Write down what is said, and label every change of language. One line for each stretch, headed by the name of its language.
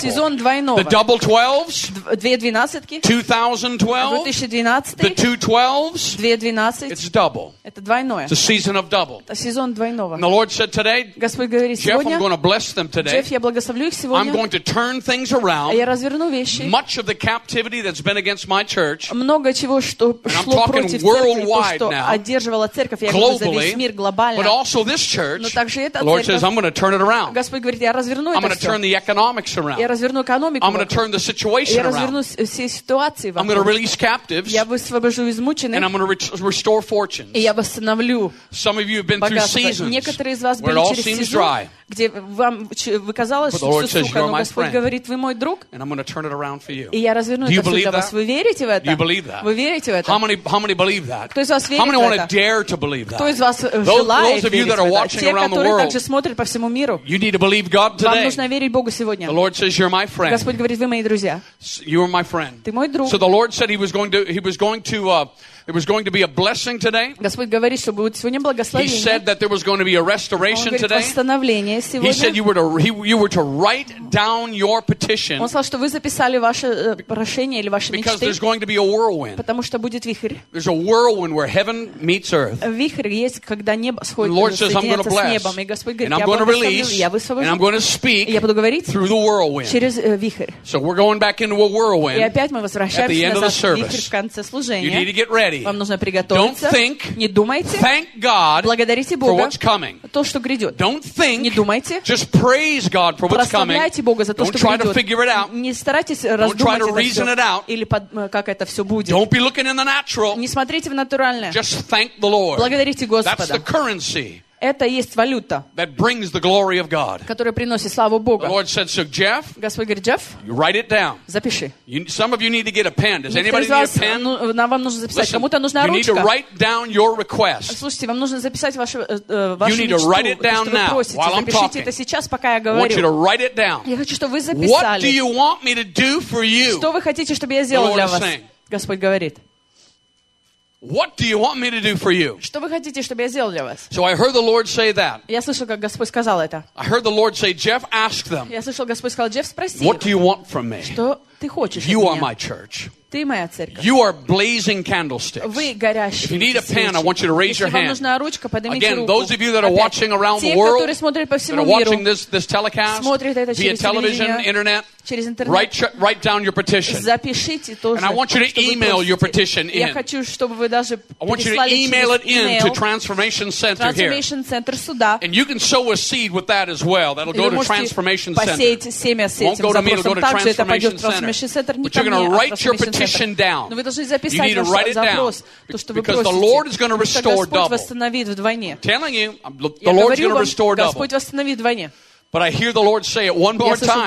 Russian: Сезон двойного.
English: The double twelves, 2012, 2012, the two twelves, 2012, it's double.
Russian: Это двойное.
English: It's a season of double.
Russian: Это сезон двойного.
English: And the Lord said today,
Russian: Господь говорит
English: Jeff,
Russian: сегодня,
English: I'm going to bless them today.
Russian: Jeff, я благословлю их сегодня.
English: I'm going to turn things around.
Russian: Я разверну вещи.
English: Much of the captivity that's been against my church.
Russian: Много чего, что шло против церкви, то, что одерживало церковь, я говорю за весь мир глобально.
English: But also this church.
Russian: Но также эта
English: Lord
Russian: церковь.
English: Says, I'm going to turn it around.
Russian: Господь говорит, я разверну это все.
English: I'm going to turn the economics around.
Russian: Я разверну экономику.
English: I'm going to turn the situation around. I'm going to release captives. And I'm going to restore fortunes. Some of you have been through seasons where it all seems dry.
Russian: Где вам казалось, что все сухо, но Господь говорит, вы мой друг, и я разверну это для вас.
English: That?
Russian: Вы верите в это? Вы верите в это?
English: How many believe that?
Russian: Кто из вас верит в это? Кто из вас желает верить в это? Те, которые также смотрят по всему миру, вам нужно верить Богу сегодня.
English: Says,
Russian: Господь говорит, вы мои друзья.
English: You are my friend.
Russian: Ты мой друг.
English: So the Lord said he was going to It was going to be a blessing today.
Russian: Господь говорит, что будет сегодня благословение.
English: He said that there was going to be a restoration
Russian: говорит,
English: today.
Russian: Восстановление сегодня.
English: He said you were to write down your petition.
Russian: Он сказал, что вы записали ваше прошение или ваши мечты.
English: Because there's going to be a whirlwind.
Russian: Потому что будет вихрь.
English: There's a whirlwind where heaven meets earth.
Russian: Вихрь есть, когда небо сходит.
English: The Lord says, I'm going to bless.
Russian: И Господь говорит,
English: and
Russian: я
English: I'm going to release.
Russian: Я высвобожу.
English: And I'm going to speak.
Russian: Я буду говорить.
English: Through the whirlwind.
Russian: Через вихрь.
English: So we're going back into a whirlwind.
Russian: И опять мы возвращаемся
English: at the end
Russian: назад
English: of the service.
Russian: Вихрь в конце служения.
English: You need to get ready.
Russian: Вам нужно приготовиться. Не думайте.
English: Thank God.
Russian: Благодарите Бога за то, что грядет.
English: Don't think.
Russian: Не думайте.
English: Just praise God for what's coming.
Russian: Прославляйте Бога за то, что грядет.
English: Don't try to figure it out.
Russian: Не старайтесь раздумать это все. Или как это все будет.
English: Don't be looking in the natural.
Russian: Не смотрите в натуральное.
English: Just thank the Lord.
Russian: Благодарите Господа.
English: That's the currency.
Russian: Это есть валюта,
English: that brings the glory of God.
Russian: Которая приносит славу Богу.
English: The Lord said, so Jeff,
Russian: Господь говорит, Джефф,
English: write it down.
Russian: Запиши.
English: Some of you need to get a pen. Does anybody need a pen?
Russian: Нам вам нужно записать.
English: Listen,
Russian: кому-то нужна ручка.
English: You need to write down your request.
Russian: Слушайте, вам нужно записать вашу мечту.
English: You need to write it down now, while I'm talking.
Russian: Запишите это сейчас, пока я говорю.
English: I want you to write it down.
Russian: Я хочу, чтобы вы записали.
English: What do you want me to do for you?
Russian: Что вы хотите, чтобы я сделал для вас? Господь говорит.
English: What do you want me to do for you?
Russian: Что вы хотите, чтобы я сделал для вас?
English: So I heard the Lord say that.
Russian: Я слышал, как Господь сказал это.
English: I heard the Lord say, Jeff, ask them.
Russian: Я слышал, Господь сказал, Джефф, спроси.
English: What do you want from me?
Russian: Что ты хочешь от меня?
English: You are my church.
Russian: Ты моя церковь.
English: You are blazing candlesticks.
Russian: Вы горящие.
English: If you need a pen, I want you to raise your hand.
Russian: Если вам нужна ручка, поднимите руку.
English: Again, those of you that are watching around the world,
Russian: которые смотрят по всему миру,
English: watching this telecast,
Russian: смотрят это через телевизор, интернет, через интернет,
English: write down your petition.
Russian: Запишите тоже.
English: And I want you to email your petition in.
Russian: Я хочу, чтобы вы даже
English: I want you to email it in to Transformation Center here.
Russian: Transformation Center сюда.
English: And you can sow a seed with that as well. That'll go to Transformation Center.
Russian: Посеять семя с этим запросом.
English: Won't go to Transformation Center. But you're going to write your petition down.
Russian: Но вы должны записать ваш запрос, то, что вы просите.
English: Because the Lord is going to restore double.
Russian: Господь восстановит вдвойне.
English: I'm telling you, the Lord's going to restore double.
Russian: Господь восстановит вдвойне.
English: But I hear the Lord say it one more time.